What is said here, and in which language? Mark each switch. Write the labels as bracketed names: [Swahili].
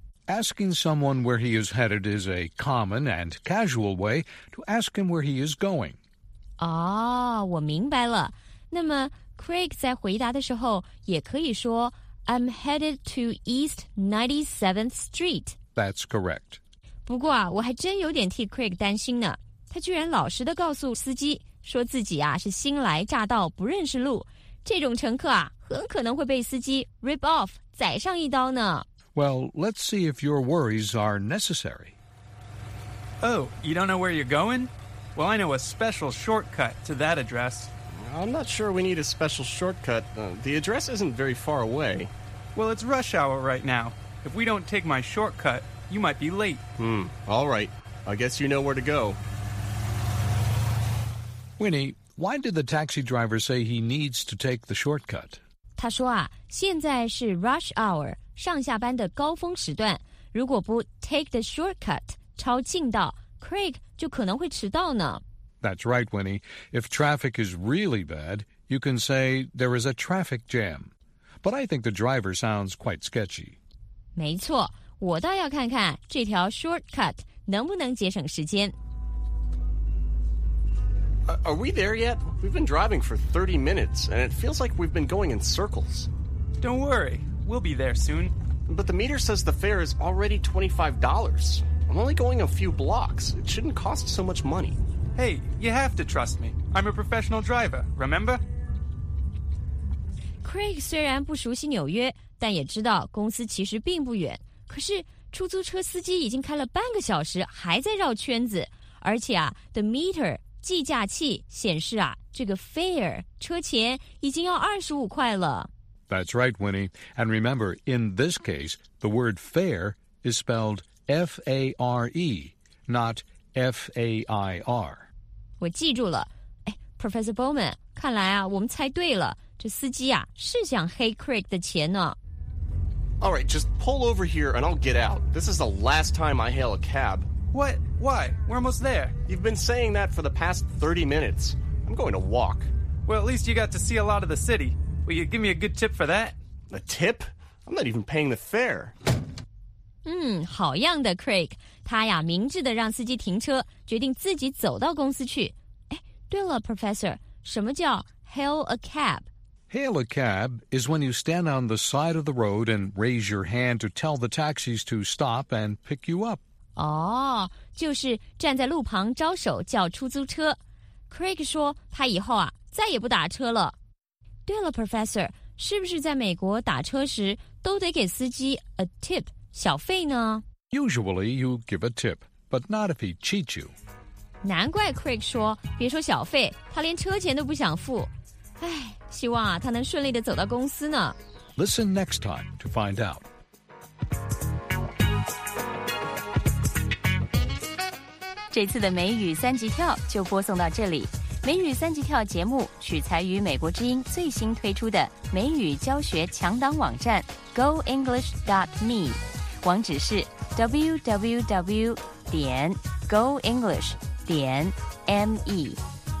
[English] Asking someone where he is headed is a common and casual way to ask him where he is going. [Chinese] 哦,我明白了。那么 Craig 在回答的时候也可以说 [English] I'm headed to East 97th Street. That's correct. [Chinese] 不过啊,我还真有点替 Craig 担心呢。他居然老实地告诉司机说自己啊是新来乍到不认识路。这种乘客啊很可能会被司机 [English] rip off, [Chinese] 宰上一刀呢。 [English] Well, let's see if your worries are necessary. Oh, you don't know where you're going? Well, I know a special shortcut to that address. I'm not sure we need a special shortcut. The address isn't very far away. Well, it's rush hour right now. If we don't take my shortcut, you might be late. All right. I guess you know where to go. Winnie... Why did the taxi driver say he needs to take the shortcut? [Chinese] 他说啊，现在是 rush hour, 上下班的高峰时段。如果不 [English] take the shortcut, [Chinese] 抄近道， Craig 就可能会迟到呢。 [English] That's right, Winnie. If traffic is really bad, you can say there is a traffic jam. But I think the driver sounds quite sketchy. [Chinese] 没错，我倒要看看这条 shortcut 能不能节省时间。 [English] Are we there yet? We've been driving for 30 minutes, and it feels like we've been going in circles. Don't worry. We'll be there soon. But the meter says the fare is already $25. I'm only going a few blocks. It shouldn't cost so much money. Hey, you have to trust me. I'm a professional driver, remember? [Chinese] Craig 虽然不熟悉纽约，但也知道公司其实并不远。可是出租车司机已经开了半个小时，还在绕圈子。而且啊， [English] the meter... [Chinese] 计价器显示啊，这个 fare 车钱已经要25块了。 [English] That's right, Winnie. And remember, in this case, the word fare is spelled F-A-R-E, not F-A-I-R. [Chinese] 我记住了。哎 ，Professor Bowman， 看来啊，我们猜对了。这司机啊，是想黑 Craig 的钱呢。 [English] All right, just pull over here, and I'll get out. This is the last time I hail a cab. What? Why? We're almost there. You've been saying that for the past 30 minutes. I'm going to walk. Well, at least you got to see a lot of the city. Will you give me a good tip for that? A tip? I'm not even paying the fare. [Chinese] 好样的 ,Craig. 他呀明智地让司机停车，决定自己走到公司去。哎，对了 ,Professor, 什么叫 hail a cab? [English] Hail a cab is when you stand on the side of the road and raise your hand to tell the taxis to stop and pick you up. [Chinese] 哦，就是站在路旁招手叫出租车。 Craig 说他以后啊再也不打车了。对了 ,Professor, 是不是在美国打车时都得给司机 [English] a tip, [Chinese] 小费呢 [English] ?Usually you give a tip, but not if he cheats you. [Chinese] 难怪 Craig 说别说小费他连车钱都不想付。哎，希望啊他能顺利地走到公司呢。 Listen next time to find out. 这次的美语三级跳就播送到这里。美语三级跳节目取材于美国之音最新推出的美语教学强档网站 goenglish.me， 网址是 www.goenglish.me。